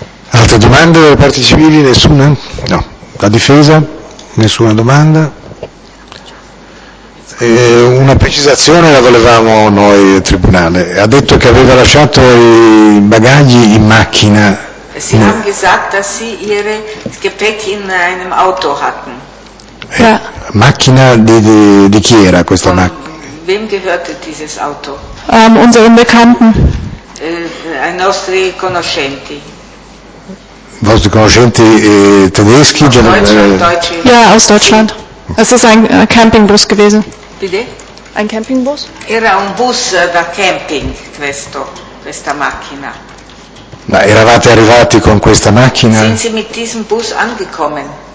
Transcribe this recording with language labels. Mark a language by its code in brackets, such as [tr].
[it] Altre domande dalle parti civili? Nessuna? No. La difesa? Nessuna domanda? Una precisazione la volevamo noi al tribunale. Ha detto che aveva lasciato i bagagli in macchina. [de] Sie haben gesagt, dass sie ihr Gepäck in einem Auto hatten. [it] Macchina di chi era questa macchina? [de] Wem gehörte dieses Auto? Unseren Bekannten. [it] Ai nostri conoscenti. Vostri conoscenti tedeschi? [de] Aus Deutschland. Ja, aus Deutschland. Es ist ein Campingbus gewesen. Bitte? Ein Campingbus? [it] Era un bus da camping, questo, questa macchina. Ma eravate arrivati con questa macchina? [de] Sind Sie mit diesem Bus angekommen?